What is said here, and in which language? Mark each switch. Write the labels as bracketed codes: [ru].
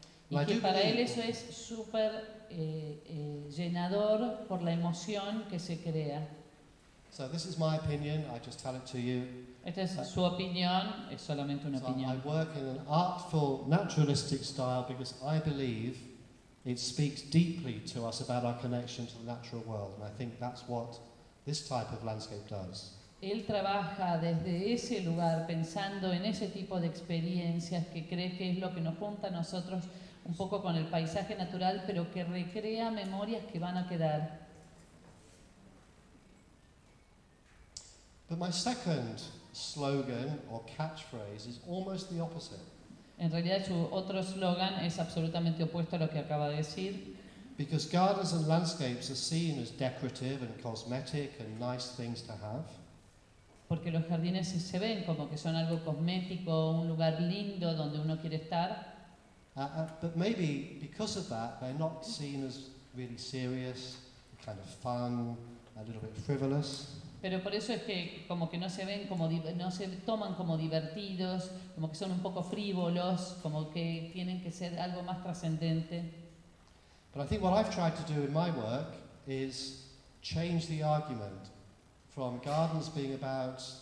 [es] Y que para él eso es súper llenador por la emoción que se crea. [en] So this is my opinion, I just tell it to you. [es] Esta es su opinión, es solamente una opinión. [en] I work in an artful, naturalistic style because I believe it speaks deeply to us about our connection to the natural world. And I think that's what this type of landscape does. [es] Él trabaja desde ese lugar pensando en ese tipo de experiencias que cree que es lo que nos junta a nosotros un poco con el paisaje natural, pero que recrea memorias que van a quedar. [en] But my second slogan or catchphrase is almost the opposite. [es] En realidad su otro slogan es absolutamente opuesto a lo que acaba de decir. [en] Because gardens and landscapes are seen as decorative and cosmetic and nice things to have. [es] Porque los jardines se ven como que son algo cosmético, un lugar lindo donde uno quiere estar. [en] But maybe because of that, they're not seen as really serious, kind of fun, a little bit frivolous. [es] Pero por eso es que como que no se ven como no se toman como divertidos, como que son un poco frívolos, como que tienen que ser algo más trascendente. [en] But I think what I've tried to do in my work is change the argument from gardens being about